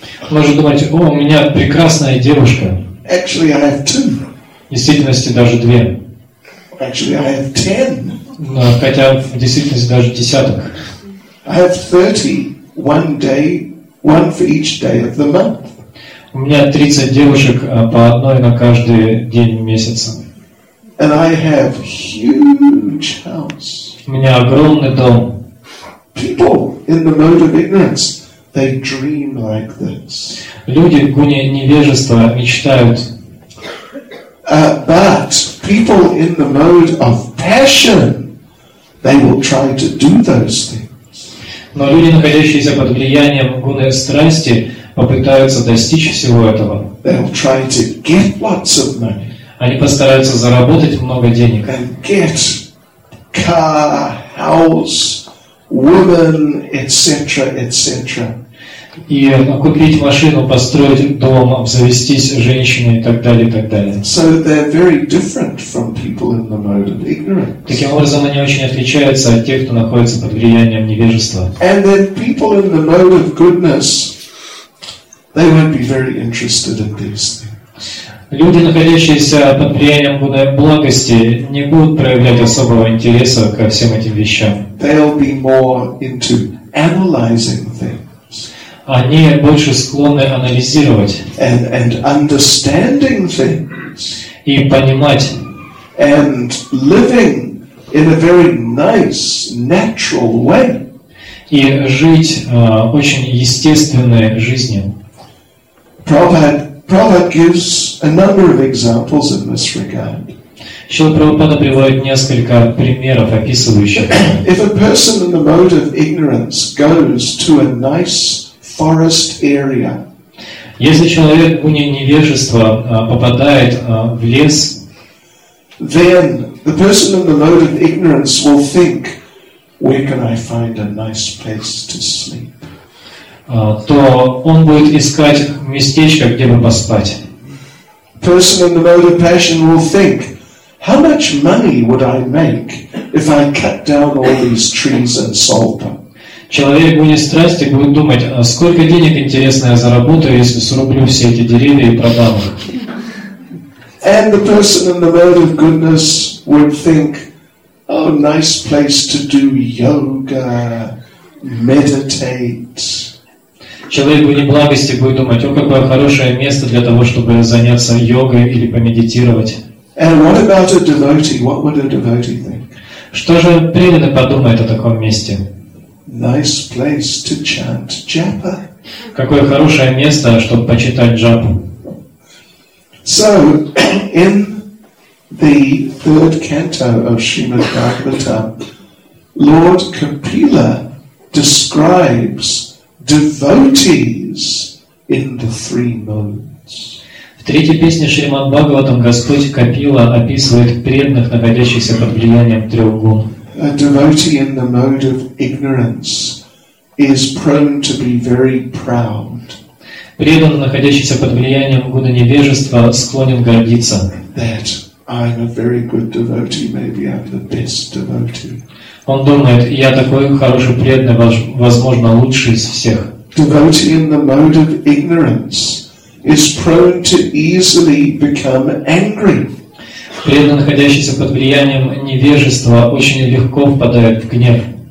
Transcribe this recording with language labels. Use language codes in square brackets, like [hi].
[ru] Можно думать, о, у меня прекрасная девушка. [en] Actually, I have two. [ru] В действительности даже две. [en] Actually, I have ten. [ru] Но, хотя в действительности даже десяток. [en] I have 30, one day, one for each day of the month. [ru] У меня 30 девушек по одной на каждый день месяца. [en] And I have huge house. [ru] У меня огромный дом. [en] People in the mode of ignorance, they dream like this. [ru] Люди в гуне невежества мечтают. [en] But people in the mode of passion, they will try to do those things. [ru] Но люди, находящиеся под влиянием гуны страсти, попытаются достичь всего этого. [en] They will try to get lots of money. [ru] Они постараются заработать много денег. [en] And get car, house, woman, etc., etc. [ru] И купить машину, построить дом, обзавестись женщиной и так далее, и так далее. [en] So they're very different from people in the mode of ignorance. [ru] Таким образом, они очень отличаются от тех, кто находится под влиянием невежества. [en] And then people in the mode of goodness, they won't be very interested in these things. [ru] Люди, находящиеся под влиянием благости, не будут проявлять особого интереса ко всем этим вещам. [en] They'll be more into analyzing things. [ru] Они больше склонны анализировать [en] and understanding things. [ru] И понимать [en] and living in a very nice, natural way. [ru] И жить очень естественной жизнью. [en] Prabhupada gives a number of examples in this regard. [ru] Шрила Прабхупада приводит несколько примеров, описывающих. [en] If a person in the mode of ignorance goes to a nice forest area. [ru] Если человек в гуне невежества попадает в лес, [en] then the person in the mode of ignorance will think, where can I find a nice place to sleep? [ru] То он будет искать местечко, где бы поспать. [en] Person in the mode of passion will think, how much money would I make if I cut down all these trees and sold them? [ru] Человек в гуне страсти будет думать, а сколько денег интересно я заработаю, если срублю все эти деревья и продам их. [en] And the person in the mode of goodness would think, oh, nice place to do yoga, meditate. [ru] Человек в гуне благости будет думать, о, какое хорошее место для того, чтобы заняться йогой или помедитировать. [en] And what about a devotee? What would a devotee think? [ru] Что же преданный подумает о таком месте? [en] Nice place to chant japa. [ru] Какое хорошее место, чтобы почитать джапу. [en] So, in the third canto of Srimad Bhagavatam, Lord Kapila describes devotees in the three modes. [ru] В третьей песне Шримад Бхагаватам Господь Капила описывает преданных, находящихся под влиянием трех гун. [en] A devotee in the mode of ignorance is prone to be very proud. [ru] Преданный, находящийся под влиянием гуны невежества, склонен гордиться. [en] That I'm a very good devotee, maybe I'm the best devotee. [ru] Он думает, я такой хороший преданный, возможно, лучший из всех. [en] Devotee in the mode of ignorance is prone to easily become angry. [ru] Преданный, находящийся под влиянием невежества, очень легко впадает в гнев.